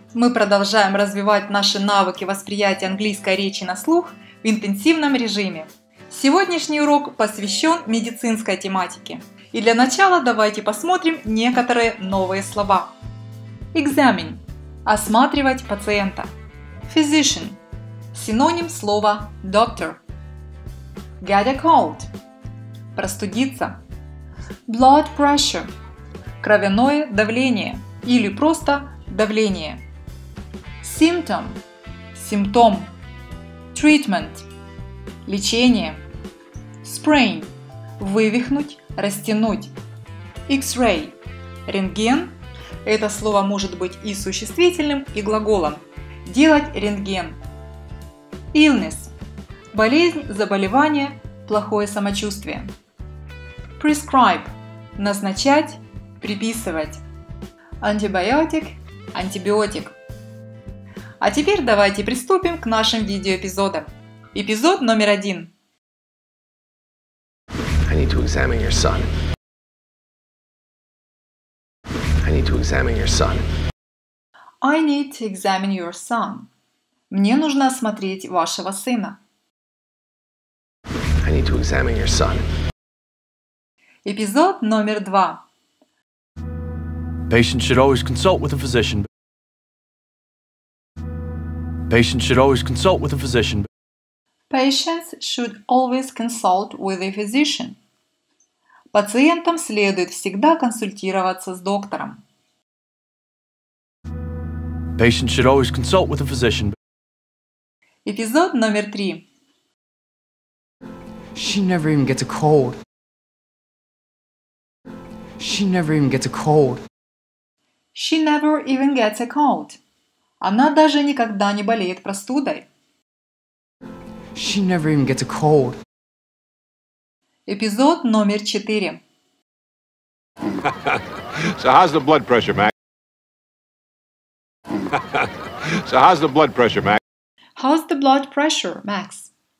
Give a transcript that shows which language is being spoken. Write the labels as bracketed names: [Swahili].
[Russian] Мы продолжаем развивать наши навыки восприятия английской речи на слух в интенсивном режиме. Сегодняшний урок посвящен медицинской тематике. И для начала давайте посмотрим некоторые новые слова. Examine – осматривать пациента. Physician – синоним слова doctor. [English] Get a cold – простудиться. [Russian] Blood pressure – кровяное давление или просто давление. Symptom – симптом. Treatment – лечение. Sprain – вывихнуть, растянуть. X-ray – рентген. Это слово может быть и существительным, и глаголом. Делать рентген. Illness – болезнь, заболевание, плохое самочувствие. Prescribe – назначать, приписывать. Antibiotic – антибиотик. А теперь давайте приступим к нашим видеоэпизодам. Эпизод номер один. [English] I need to examine your son. I need to examine your son. I need to examine your son. [Russian] Мне нужно осмотреть вашего сына. [English] I need to examine your son. [Russian] Эпизод номер два. [English] Patient should always consult with a physician. Patient should always consult with a physician. Patients should always consult with a physician. [Russian] Пациентам следует всегда консультироваться с доктором. [English] Patient should always consult with a physician. [Russian] Эпизод номер три. [English] She never even gets a cold. She never even gets a cold. She never even gets a cold. [Russian] Она даже никогда не болеет простудой. [English] She never even gets a cold. [Russian] Эпизод номер четыре. [English] So how's the blood pressure, Mac? So how's the blood pressure, Mac? How's the blood pressure, Max?